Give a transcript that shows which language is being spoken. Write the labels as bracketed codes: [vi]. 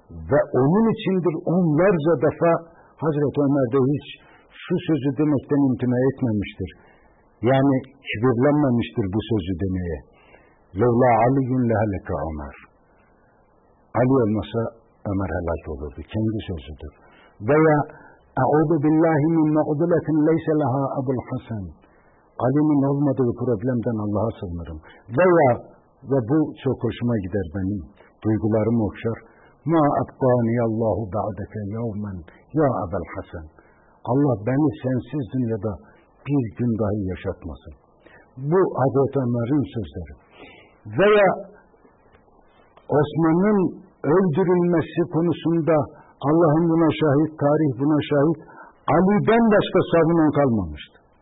[tr] Ve onun içindir onlarca defa Hazreti Ömer de hiç şu sözü demekten imtina etmemiştir. Yani kibirlenmemiştir bu sözü demeye. [ar] Levla Ali'yün lehaleke Ömer. [tr] Ali olmasa Ömer helak olurdu. Kendi sözüdür. [ar] Veya أعوذ بالله من معضلة ليس لها أبو الحسن. [tr] Ali'nin olmadığı problemden Allah'a sığınırım. Veya, ve bu çok hoşuma gider benim, duygularım okşar. [ar] ما أبقاني الله بعدك يوما يا أبا الحسن. [tr] Allah beni sensiz dünyada bir gün dahi yaşatmasın. Bu Hazreti Ömer'in sözleri. Veya Osman'ın öldürülmesi konusunda Allah'ın buna şahit, tarih buna şahit, Ali'den başka savunan kalmamıştı.